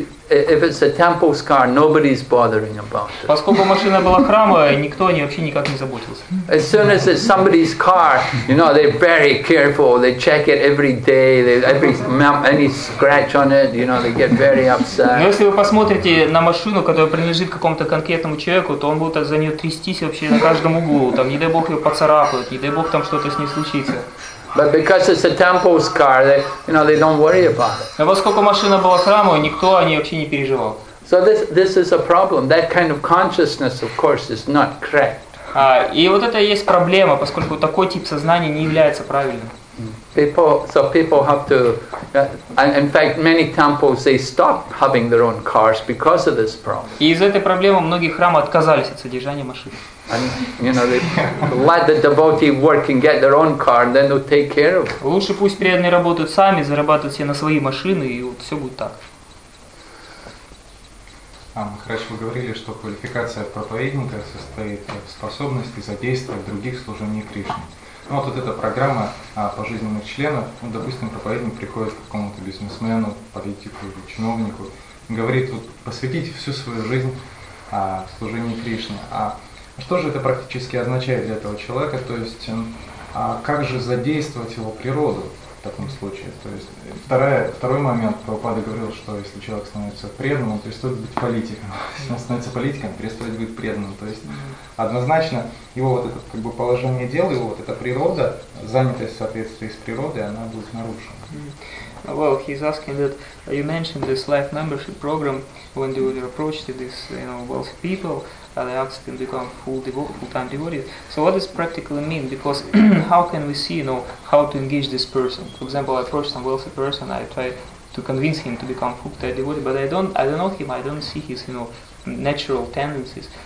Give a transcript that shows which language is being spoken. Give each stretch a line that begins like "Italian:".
English: If it's a temple's car, nobody's bothering about it.
Russian: Поскольку машина была храма, никто о ней вообще никак не заботился.
English: As soon as it's somebody's car, you know, they're very careful. They check it every day. Any scratch on it, you know, they get very upset.
Russian: Но если вы посмотрите на машину, которая принадлежит какому-то конкретному человеку, то он будет за нее трястись вообще на каждом углу. Там, не дай бог, ее поцарапают, не дай бог, там что-то с ней случится.
English: But because it's a temple's car, they don't worry about it.
Russian: Но поскольку машина была храмовой, никто о ней вообще не переживал.
English: So this is a problem. That kind of consciousness, of course, is not correct.
Russian: И вот это и есть проблема, поскольку такой тип сознания не является правильным.
English: People have to, in fact, many temples they stop having their own cars because of this problem.
Russian: И из этой проблемы многие храмы отказались от содержания машин.
English: And, you know, they let the devotee work and get their own car, and then they'll take care of it.
Russian: Лучше пусть преданные работают сами, зарабатывают себе на свои машины, и вот все будет так. Махарадж, вы говорили, что квалификация проповедника состоит в способности задействовать других служений Кришне. Ну, вот эта программа пожизненных членов, ну, допустим, проповедник приходит к какому-то бизнесмену, политику или чиновнику, говорит, вот, посвятите всю свою жизнь служению Кришне. А что же это практически означает для этого человека? То есть, как же задействовать его природу в таком случае? То есть, второй момент, Прабхупада говорил, что если человек становится преданным, он перестает быть политиком. Если он становится политиком, перестает быть преданным. То есть, однозначно, его вот это как бы положение дел, его вот эта природа, занятость в соответствии с природой, она будет нарушена.
English: Well, he's asking that you mentioned this life membership program when you were approached to this, you know, wealthy people, they asked him to become full-time devotees. So what does practically mean? Because how can we see, you know, how to engage this person? For example, I approached some wealthy person, I tried to convince him to become full-time devotee, but I don't know him, I don't see his, you know, natural tendencies.